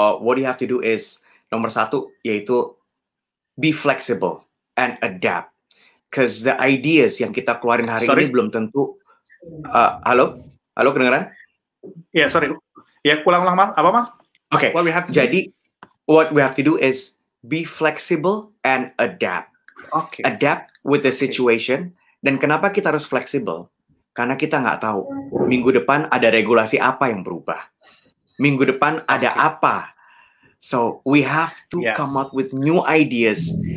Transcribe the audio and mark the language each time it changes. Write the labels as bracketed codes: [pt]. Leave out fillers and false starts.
[en] What you have to do is [id] nomor satu yaitu [en] be flexible and adapt. Because the ideas [id] yang kita keluarin hari ini belum tentu. Halo, kedengeran? Ya, [en] sorry. [id] Ya, ulang-ulang, Mal. Apa, Mal? [en] Okay. What we have to do is be flexible and adapt. Okay. Adapt with the situation. Okay. [id] Dan kenapa kita harus [en] flexible? [id] Karena kita nggak tahu minggu depan ada regulasi apa yang berubah. Minggu depan ada apa. [en] So, we have to come up with new ideas.